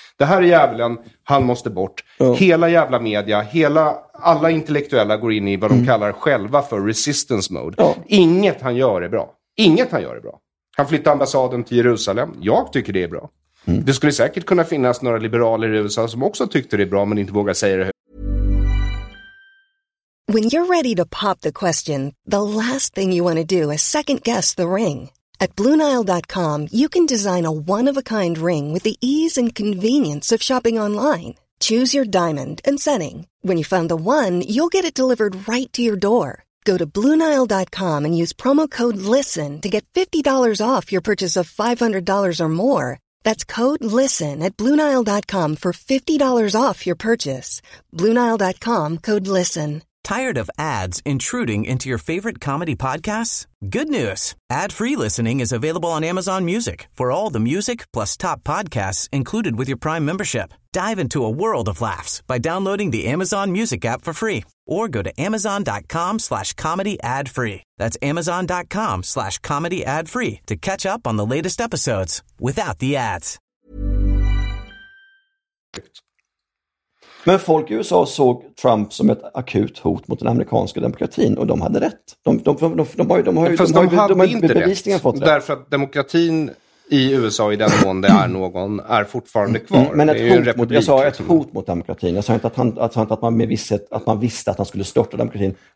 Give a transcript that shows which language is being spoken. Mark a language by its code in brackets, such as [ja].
[sv] Det här är djävulen, han måste bort. Mm. Hela jävla media, alla intellektuella går in i vad de kallar själva för [en] resistance mode. [sv] Mm. Inget han gör är bra. Inget han gör är bra. Han flyttar ambassaden till Jerusalem. Jag tycker det är bra. Det skulle säkert kunna finnas några liberaler i USA som också tyckte det är bra men inte vågar säga det. [en] When you're ready to pop the question, the last thing you want to do is second guess the ring. At BlueNile.com you can design a one-of-a-kind ring with the ease and convenience of shopping online. Choose your diamond and setting. When you find the one, you'll get it delivered right to your door. Go to BlueNile.com and use promo code LISTEN to get $50 off your purchase of $500 or more. That's code LISTEN at BlueNile.com for $50 off your purchase. BlueNile.com, code LISTEN. Tired of ads intruding into your favorite comedy podcasts? Good news. Ad-free listening is available on Amazon Music for all the music plus top podcasts included with your Prime membership. Dive into a world of laughs by downloading the Amazon Music app for free or go to amazon.com/comedyadfree. That's amazon.com/comedyadfree to catch up on the latest episodes without the ads. [sv] Men folk i USA såg Trump som ett akut hot mot den amerikanska demokratin och de hade rätt. De har ju inte rätt. Därför att demokratin i USA i den mån det är någon är fortfarande kvar. Men ett hot mot, jag sa ett hot mot demokratin. Jag sa inte att man visste att han skulle störta demokratin.